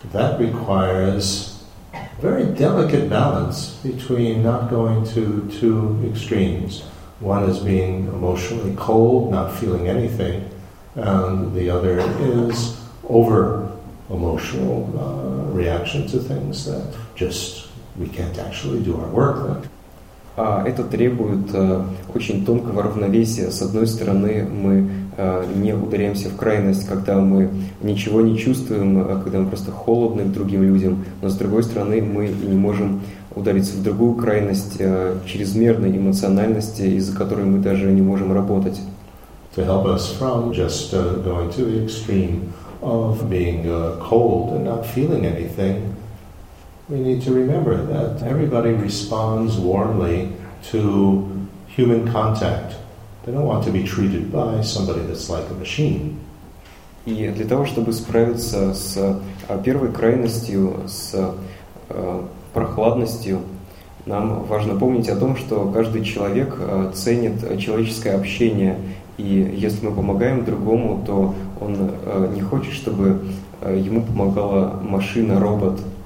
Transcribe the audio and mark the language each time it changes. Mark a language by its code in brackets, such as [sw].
[en] That requires very delicate balance between not going to two extremes. One is being emotionally cold, not feeling anything. And the other is over-emotional reaction to things that just we can't actually do our work like. [ru] Это требует очень тонкого равновесия. С одной стороны, мы не ударяемся в крайность, когда мы ничего не чувствуем, а когда мы просто холодны к другим людям. Но с другой стороны, мы не можем удариться в другую крайность чрезмерной эмоциональности, из-за которой мы даже не можем работать. [en] To help us from just going to the extreme of being cold and not feeling anything, we need to remember that everybody responds warmly to human contact. They don't want to be treated by somebody that's like a machine. [ru] И для того, чтобы справиться с первой крайностью, с прохладностью, нам важно помнить о том, что каждый человек ценит человеческое общение, и если мы помогаем другому, то он не хочет, чтобы ему помогала машина, робот.